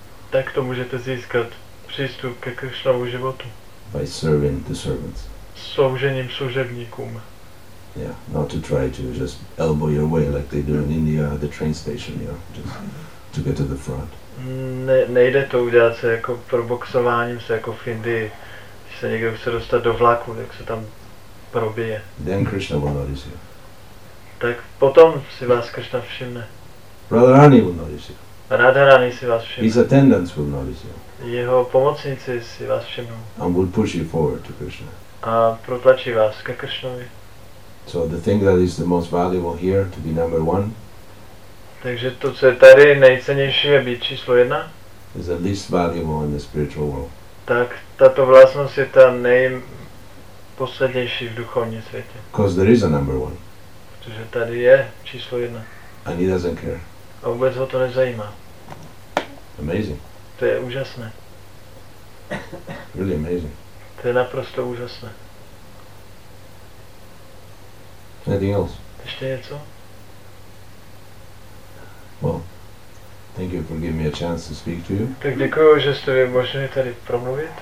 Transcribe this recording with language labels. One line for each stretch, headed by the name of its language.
Czech: Tak to můžete získat přístup ke Krishnovu životu.
English: By serving the servants.
Czech: Sloužením služebníkům.
English: Yeah, not to try to just elbow your way like they do in India at the train station, you know, just to get to the front.
Czech: Nejde to udělat se jako proboxováním se jako v Indii, když se někdo chce dostat do vlaku, tak se tam probije.
English: Then Krishna will notice you.
Czech: Tak potom si vás Krishna všimne.
English: Radharani will notice you.
Czech: Radharani si vás všimne.
English: His attendants will notice you.
Czech: Jeho pomocníci si vás všimnou.
English: And will push you forward to Krishna.
Czech: A protlačí vás ke Krishnovi.
English: So the thing that is the most valuable here to be number one.
Czech: Takže to, co je tady nejcennější, je být číslo jedna.
English: Is the least valuable in the spiritual world.
Czech: Tak tato vlastnost je ta nejposlednější v duchovním světě.
English: Because there is a number one.
Czech: Protože tady je číslo jedna.
English: And he doesn't care.
Czech: A vůbec ho to nezajímá.
English: Amazing.
Czech: To je úžasné.
English: Really amazing.
Czech: To je naprosto úžasné.
English: Anything else?
Czech: Ještě něco?
English: Well, thank you for giving me a chance to speak to you.
Czech: Tak děkuju, že jste mi umožnili tady promluvit.